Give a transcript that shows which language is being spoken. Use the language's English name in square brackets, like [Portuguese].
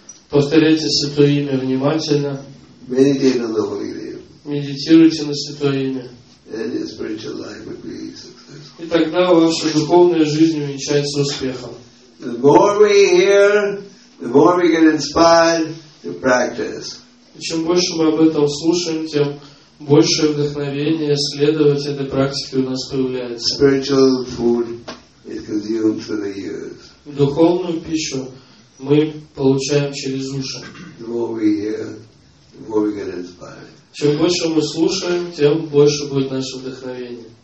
[Russian] Повторяйте святое имя внимательно. Медитируйте на святое имя. [English] And your spiritual life would be successful. [Russian] И тогда ваша духовная жизнь увенчается успехом. [English] The more we hear, the more we get inspired to practice. [Russian] И чем больше мы об этом слушаем, тем больше вдохновения следовать этой практике у нас появляется. [English] Spiritual food is consumed through the ears. [Russian] Духовную пищу мы получаем через уши. [English] The more we hear, the more we get inspired. [Russian] Чем больше мы слушаем, тем больше будет наше вдохновение.